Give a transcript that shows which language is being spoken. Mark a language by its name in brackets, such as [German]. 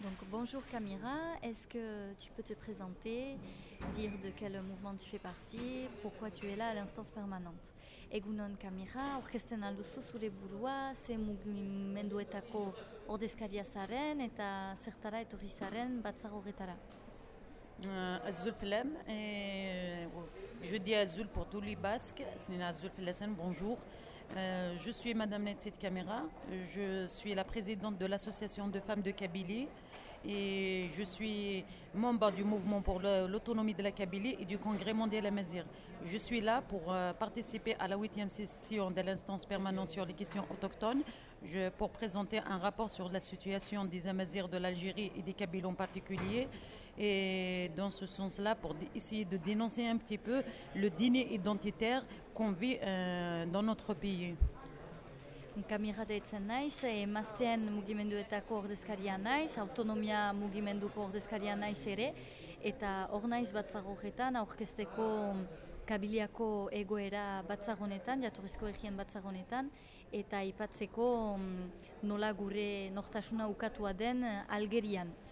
[French] bonjour Camira, est-ce que tu peux te présenter, dire de quel mouvement tu fais partie, pourquoi tu es là à l'instance permanente? [Basque] Egunon Camira, orkesten alduzu zure burua, ze mugimenduetako ordezkaria zaren eta zertara etorri zaren batzar horretara? [French] Azul Flem, je dis Azul pour tous les Basques, c'est une Azul Flesen, bonjour. Je suis Madame Netsit Camira, je suis la présidente de l'association de femmes de Kabylie et je suis membre du mouvement pour l'autonomie de la Kabylie et du congrès mondial Amazigh. Je suis là pour participer à la 8e session de l'instance permanente sur les questions autochtones pour présenter un rapport sur la situation des Amazigh de l'Algérie et des Kabyles en particulier. Et dans ce sens-là, pour essayer de dénoncer un petit peu le dîner identitaire qu'on vit dans notre pays. [Basque] Camira deitzen naiz, emazten mugimenduetako ordezkaria naiz, autonomia mugimenduko ordezkaria naiz ere, eta hor naiz batzar horretan aurkezteko Kabiliako egoera batzar honetan, jatorrizko herrien batzar honetan, eta aipatzeko nola gure nortasuna ukatua den Algerian.